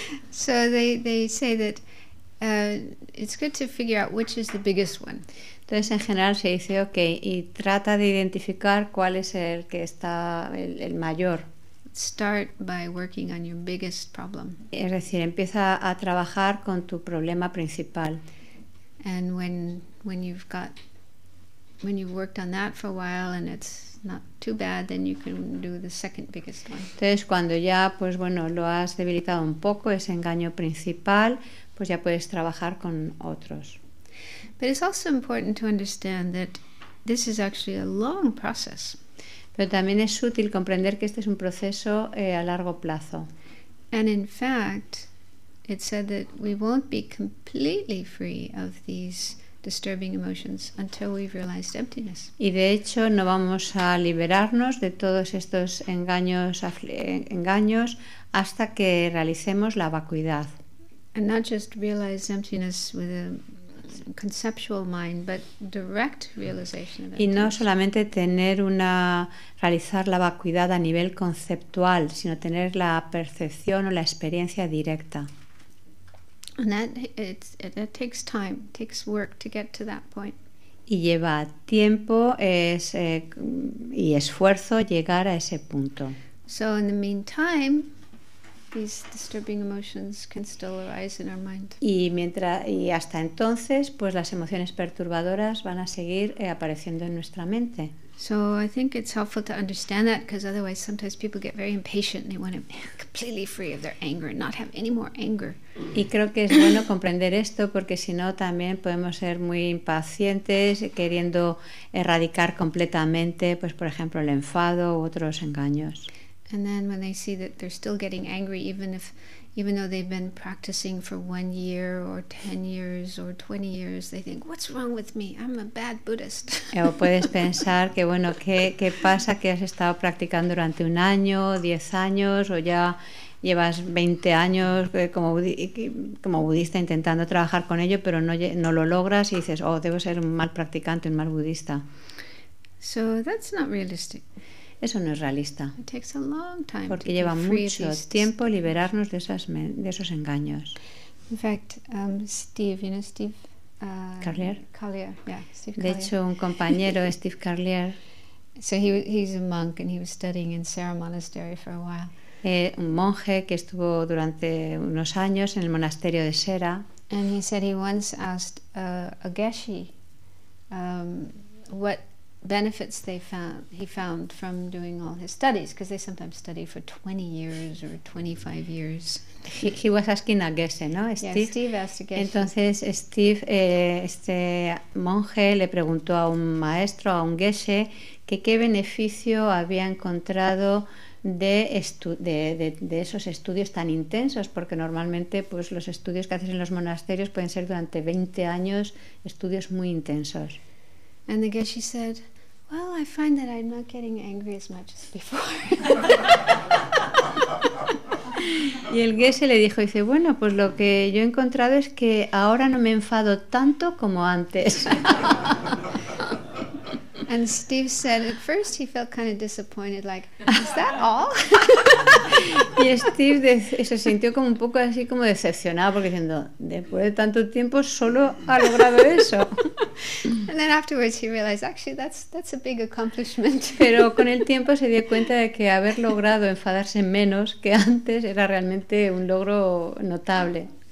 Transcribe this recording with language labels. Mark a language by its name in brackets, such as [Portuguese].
[English] So they say that it's good to figure out which is the biggest one. [Spanish] Entonces en general se dice, okay, y trata de identificar cuál es el que está el mayor. [English] Start by working on your biggest problem. [Spanish] Es decir, empieza a trabajar con tu problema principal. [English] And when you've worked on that for a while and it's not too bad, then you can do the second biggest one. [Spanish] Entonces, cuando ya, pues bueno, lo has debilitado un poco ese engaño principal, pues ya puedes trabajar con otros. [English] But it's also important to understand that this is actually a long process. [Spanish] Pero también es útil comprender que este es un proceso a largo plazo. [English] And in fact, it said that we won't be completely free of these disturbing emotions until we've realized emptiness. [Spanish] Y de hecho no vamos a liberarnos de todos estos engaños hasta que realicemos la vacuidad. [English] and not just realize emptiness with a conceptual mind, but direct realization of it. [Spanish] Y no solamente tener una, realizar la vacuidad a nivel conceptual, sino tener la percepción o la experiencia directa. [English] And that it takes time, takes work to get to that point. [Spanish] Y lleva tiempo y esfuerzo llegar a ese punto. [English] So in the meantime, these disturbing emotions can still arise in our mind. [Spanish] Y hasta entonces, pues las emociones perturbadoras van a seguir apareciendo en nuestra mente. [English] So I think it's helpful to understand that, because otherwise sometimes people get very impatient and they want to be completely free of their anger and not have any more anger. [Spanish] Y creo que es bueno comprender esto, porque si no también podemos ser muy impacientes queriendo erradicar completamente, pues por ejemplo, el enfado u otros engaños. [English] And then when they see that they're still getting angry, even though they've been practicing for 1 year or 10 years or 20 years, they think, "What's wrong with me? I'm a bad Buddhist." [Spanish] O puedes pensar que bueno, qué pasa que has estado practicando durante un año, 10 años, o ya llevas 20 años como budista intentando trabajar con ello, pero no lo logras y dices, "Oh, debo ser un mal practicante, un mal budista." [English] So that's not realistic. [Spanish] Eso no es realista. [English] It takes a long time, [Spanish] porque lleva mucho tiempo liberarnos de esos engaños. [English] In fact, Steve Carlier. Carlier, yeah, Steve Carlier. [Spanish] De hecho, un compañero, Steve Carlier. [English] So he's a monk and he was studying in Sera Monastery for a while. [Spanish] Un monje que estuvo durante unos años en el monasterio de Sera. [English] And he said he once asked a geshe what benefits he found from doing all his studies, because they sometimes study for 20 years or 25 years. He was asking a geshe, ¿no? Steve. Yeah, Steve asked a geshe. [Spanish] Entonces Steve, este monje, le preguntó a un maestro, a un geshe, que qué beneficio había encontrado de esos estudios tan intensos, porque normalmente pues los estudios que haces en los monasterios pueden ser durante 20 años, estudios muy intensos. [English] And the geshe said, "Well, I find that I'm not getting angry as much as before." [Spanish] Y el geshe le dijo, dice, bueno, pues lo que yo he encontrado es que ahora no me enfado tanto como antes. [English] And Steve said, at first he felt kind of disappointed, like, "Is that all?" [Spanish] Y Steve se sintió como un poco así como decepcionado, porque diciendo, después de tanto tiempo solo ha logrado eso. [English] And then afterwards he realized, actually, that's a big accomplishment. [Spanish] Pero con el tiempo se dio cuenta de que haber logrado enfadarse menos que antes era realmente un logro notable.